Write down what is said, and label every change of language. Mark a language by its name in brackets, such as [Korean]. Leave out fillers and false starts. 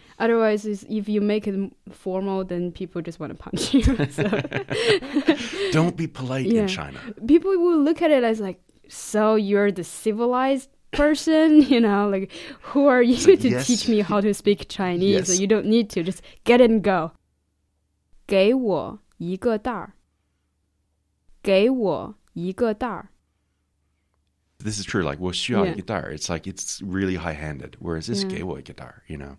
[English] Otherwise, if you make it formal, then people just want to punch you. Don't be polite in China. People will look at it as like, so you're the civilized person, you know, like, who are you to teach me how to speak Chinese? Yes. You don't need to, just get and go. [Chinese] 给我一个袋。给我一个袋。 [English] This is true, like, [Chinese] 我需要一个袋. [English] It's like, it's really high-handed, whereas this [Chinese] 给我一个袋, [English] you know.